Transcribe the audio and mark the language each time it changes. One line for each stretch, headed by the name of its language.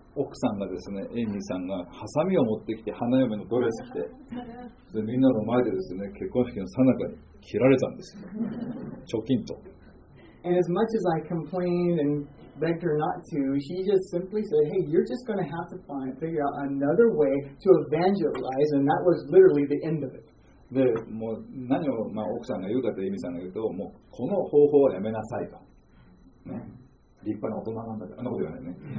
Japanese: 奥さんがですね、エイミーさんがハサミを持ってきて花嫁のドレス着て、でみんなの前でですね、結婚式の最中に。切られたんです。貯金と。
English: And as much as I complained and begged her not to, she just simply said, "Hey, you're just going to have to figure out another way to evangelize." And that was literally the end of it.
Japanese: で、もう何を、まあ、奥さんが言うかとエミさんが言うと、もうこの方法はやめなさいと。ね、立派な大人なんだから、あんなこと言わないね。